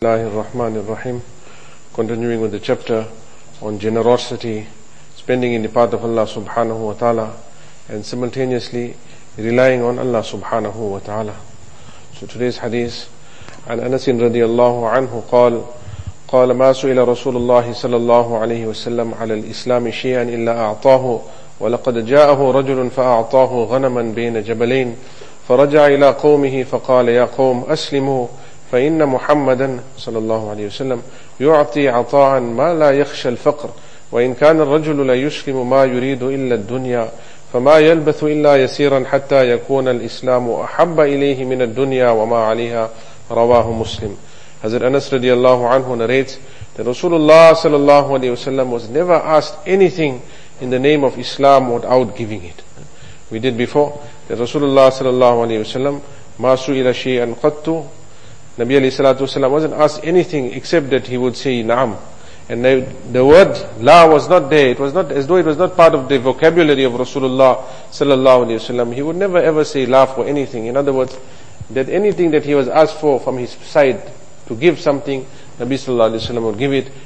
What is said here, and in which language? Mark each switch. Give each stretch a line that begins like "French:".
Arabic: الله الرحمن الرحيم
English: continuing with the chapter on generosity, spending in the path of Allah subhanahu wa ta'ala and simultaneously relying on Allah subhanahu wa ta'ala. So today's hadith
Arabic: عن أنس رضي الله عنه قال قال ما سئل رسول الله صلى الله عليه وسلم على الإسلام شيئا إلا أعطاه ولقد جاءه رجل فأعطاه غنما بين جبلين فرجع إلى قومه فقال يا قوم أسلموا فإن محمدا صلى الله عليه وسلم يعطي عطاء ما لا يخشى الفقر وإن كان الرجل لا يسلم ما يريد إلا الدنيا فما يلبث إلا يسيرا حتى يكون الإسلام أحب إليه من الدنيا وما عليها رواه مسلم.
English: حضرت أنس رضي الله عنه narrates that Rasulullah صلى الله عليه وسلم was never asked anything in the name of Islam without giving it. We did before that Rasulullah
Arabic: صلى الله عليه وسلم ما سئل شيئا قط.
English: Nabi alayhi salatu wasalam wasn't asked anything except that he would say na'am. And the word la was not there. It was not as though it was not part of the vocabulary of Rasulullah sallallahu alayhi wasalam. He would never ever say la for anything. In other words, that anything that he was asked for from his side to give something, Nabi sallallahu alayhi wasalam would give it.